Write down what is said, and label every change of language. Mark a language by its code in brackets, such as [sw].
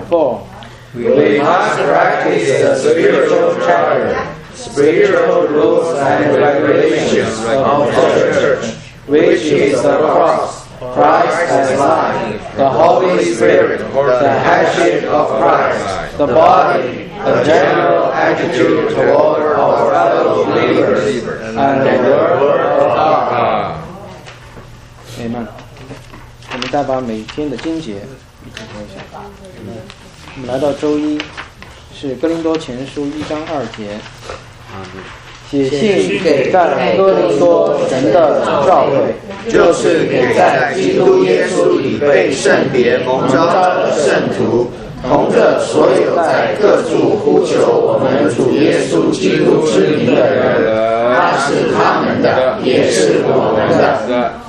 [en] 4. We must practice the spiritual charter, spiritual rules and regulations of the church, which is the cross. Christ as life, the Holy Spirit, the headship of Christ, the body, the general attitude toward our fellow believers, and the word of God. Amen. [zh] 我们再把每天的经节一起读一下。我们来到周一，是哥林多前书一章二节。写信给在哥林多神的召会，就是给在基督耶稣里被圣别蒙召的圣徒，同着所有在各处呼求我们主耶稣基督之名的人，那是他们的，也是我们的。